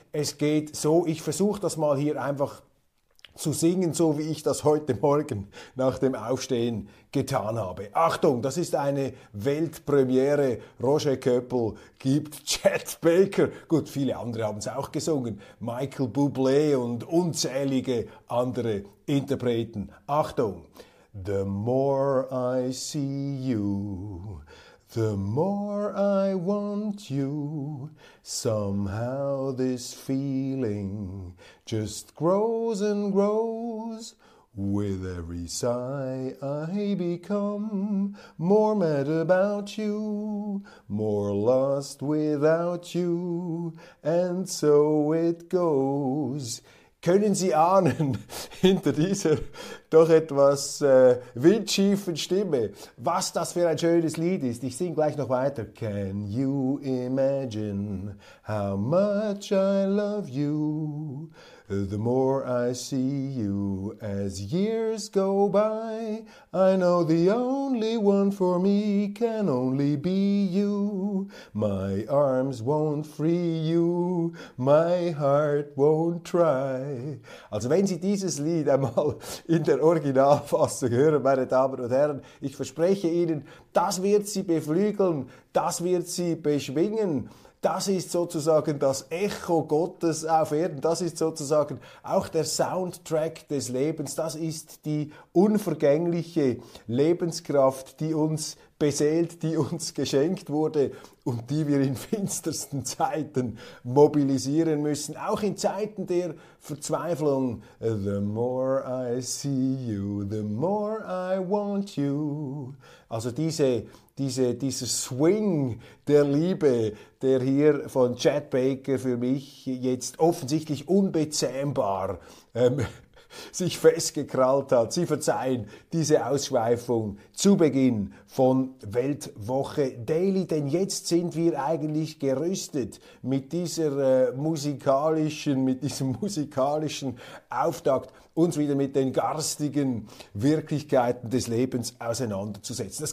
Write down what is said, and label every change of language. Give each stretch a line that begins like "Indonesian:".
German: Es geht so, ich versuche das mal hier einfach zu singen, so wie ich das heute Morgen nach dem Aufstehen getan habe. Achtung, das ist eine Weltpremiere. Roger Köppel gibt Chet Baker. Gut, viele andere haben es auch gesungen. Michael Bublé und unzählige andere Interpreten. Achtung.
English: The more I see you, the more I want you, somehow this feeling just grows and grows. With every sigh I become more mad about you, more lost without you, and so it goes.
German: Können Sie ahnen, hinter dieser doch etwas windschiefen Stimme, was das für ein schönes Lied ist? Ich sing gleich noch weiter.
English: Can you imagine how much I love you? The more I see you as years go by, I know the only one for me can only be you. My arms won't free you, my heart won't try.
German: Also wenn Sie dieses Lied einmal in der Originalfassung hören, meine Damen und Herren, ich verspreche Ihnen, das wird Sie beflügeln, das wird Sie beschwingen. Das ist sozusagen das Echo Gottes auf Erden. Das ist sozusagen auch der Soundtrack des Lebens. Das ist die unvergängliche Lebenskraft, die uns beseelt, die uns geschenkt wurde und die wir in finstersten Zeiten mobilisieren müssen. Auch in Zeiten der Verzweiflung.
English: The more I see you, the more I want you.
German: Also dieser Swing der Liebe, der hier von Chet Baker für mich jetzt offensichtlich unbezähmbar sich festgekrallt hat. Sie verzeihen diese Ausschweifung zu Beginn von Weltwoche Daily, denn jetzt sind wir eigentlich gerüstet mit dieser musikalischen Auftakt, uns wieder mit den garstigen Wirklichkeiten des Lebens auseinanderzusetzen.